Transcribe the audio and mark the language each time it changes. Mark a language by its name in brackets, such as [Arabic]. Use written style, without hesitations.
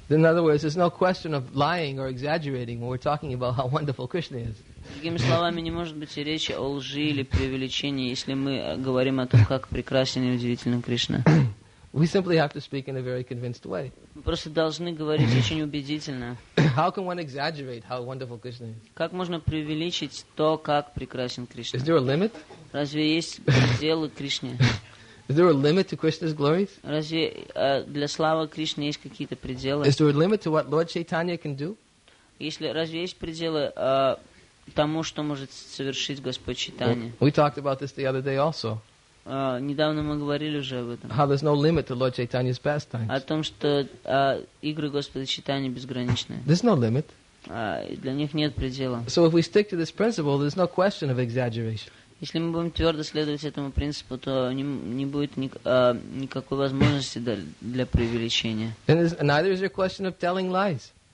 [English] In other words, there's no question of lying or exaggerating when we're talking about how wonderful Krishna is. [Russian] Другими словами, не может быть и речи о лжи или преувеличении, если мы говорим о том, как прекрасен и удивителен Кришна. [English] We simply have to speak in a very convinced way. [Russian] Мы просто должны говорить очень убедительно. [English] How can one exaggerate how wonderful Krishna is? [Russian] Как можно преувеличить то, как прекрасен Кришна? [English] Is there a limit? [Russian] Разве есть пределы Кришне? [English] Is there a limit to Krishna's glories? [Russian] Разве для славы Кришны есть какие-то пределы? [English] Is there a limit to what Lord Chaitanya can do? [Russian] Разве есть пределы тому, что может совершить Господь Чайтанья? [English] We talked about this the other day also. [Russian] Недавно мы говорили уже об этом. [English] How there's no limit to Lord Chaitanya's pastimes. [Russian] О том, что игры Господа Чайтанья безграничны. [English] There's no limit. [Russian] Для них нет предела. [English] So if we stick to this principle, there's no question of exaggeration. [Russian] Если мы будем твердо следовать этому принципу, то не будет никакой возможности для преувеличения. [English] And neither is there a question of telling lies.